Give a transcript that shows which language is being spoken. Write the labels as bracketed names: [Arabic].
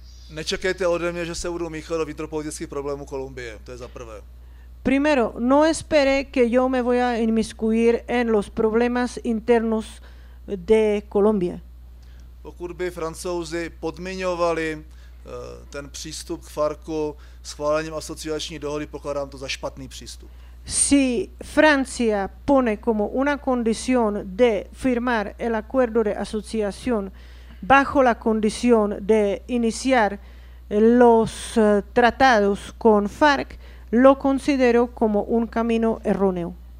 [Czech] Nečekejte ode mě, že se budu míchat do vnitropolitických problémů Kolumbie, to je za prvé. [Spanish] Primero, no espere que yo me voy a inmiscuir en los problemas internos de Colombia. [Czech] Pokud by Francouzi podmiňovali ten přístup k FARCu schválením asociační dohody, pokládám to za špatný přístup. [Spanish] Si Francia pone como una condición de firmar el acuerdo de asociación bajo la condición de iniciar los tratados con FARC, lo considero como un camino erróneo.